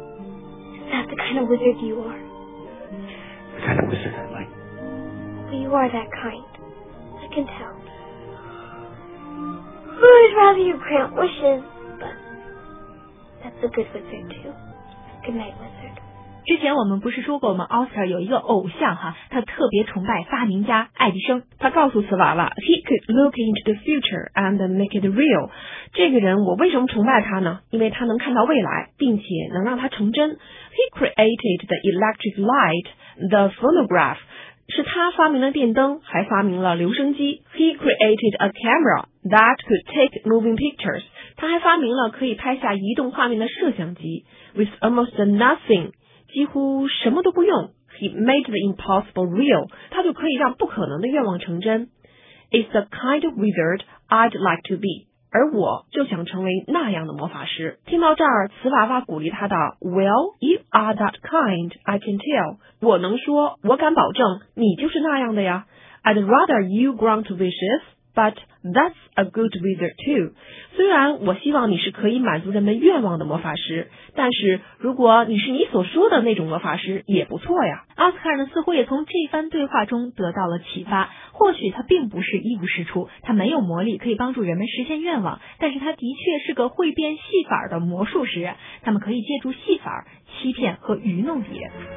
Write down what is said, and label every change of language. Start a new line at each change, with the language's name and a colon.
English: Is that the kind of wizard you are? The kind of wizard I like. Well, you are that kind. I can tell. I would rather you grant wishes, but that's a good wizard too.
Chinese: 之前我们不是说过吗？奥斯卡有一个偶像哈，他特别崇拜发明家爱迪生。他告诉瓷娃娃
English: ，He could look into the future and make it real。
Chinese: 这个人我为什么崇拜他呢？因为他能看到未来，并且能让他成真。
English: He created the electric light, the phonograph。
Chinese: 是他发明了电灯，还发明了留声机。
English: He created a camera that could take moving pictures。
Chinese: 他还发明了可以拍下移动画面的摄像机。
English: With almost nothing,
Chinese: 几乎什么都不用
English: he made the impossible real,
Chinese: 他就可以让不可能的愿望成真。
English: It's the kind of wizard I'd like to be,
Chinese: 而我就想成为那样的魔法师。听到这儿，瓷娃娃鼓励他道
English: Well, you are that kind, I can tell.
Chinese: 我能说，我敢保证，你就是那样的呀。
English: I'd rather you grant wishes, but that's a good wizard too.
Chinese: 虽然我希望你是可以满足人们愿望的魔法师，但是如果你是你所说的那种魔法师也不错呀。奥斯卡呢似乎也从这番对话中得到了启发，或许他并不是一无是处，他没有魔力可以帮助人们实现愿望，但是他的确是个会变戏法的魔术师，他们可以借助戏法欺骗和愚弄别人。